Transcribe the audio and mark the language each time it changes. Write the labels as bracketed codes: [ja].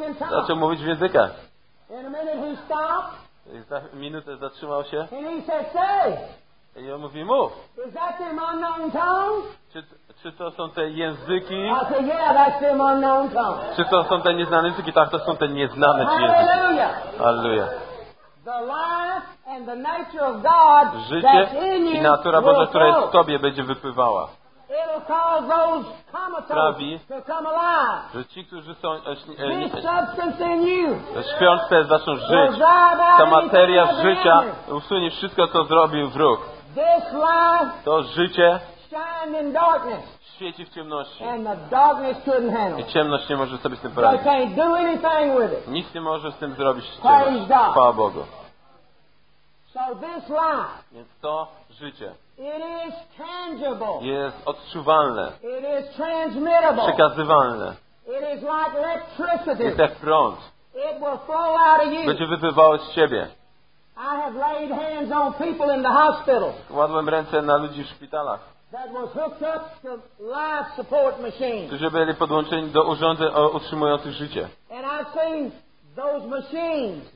[pl] Zaczął mówić w językach. [en] In a minute he stopped. [pl] I za minutę zatrzymał się. [en] And he said, say. [pl] I on mówi, mów. [en] Is that them unknown tongues? [pl] Czy to są te języki? [en] I said, yeah, that's them unknown tongues. [pl] Czy to są te nieznane języki? Tak, to są te nieznane języki. [en] Hallelujah. [pl] Hallelujah. [en] The life and the nature of God [pl] życie [en] that's in you [pl] i natura Boża, która jest w Tobie, będzie wypływała. [en] It'll cause those comatose [pl] sprawi, [en] to come alive. [pl] Że ci, którzy są [en] substance in you, [pl] śpiące zaczną żyć. Ta materia życia usunie wszystko, co zrobił wróg. [en] This life, [pl] to życie [en] shine in darkness. [pl] Świeci w ciemności. [en] And the darkness couldn't handle it. [pl] I ciemność nie może sobie z tym poradzić. [en] They can't do anything with it. [pl] Nic nie może z tym zrobić. [en] Praise God. [pl] Chwała Bogu. [en] So this life, [pl] więc to życie, [en] it is tangible. [pl] Jest odczuwalne. [en] It is transmittable. [pl] Przekazywalne. [en] It is like electricity. [pl] Jest jak prąd. [en] It will flow out of you. [pl] Będzie wypływało z ciebie. [en] I have laid hands on people in the hospital. [pl] Kładłem ręce na ludzi w szpitalach. [en] That was hooked up to life support machines. [pl] Którzy byli podłączeni do urządzeń utrzymujących życie. [en] And I've seen those machines.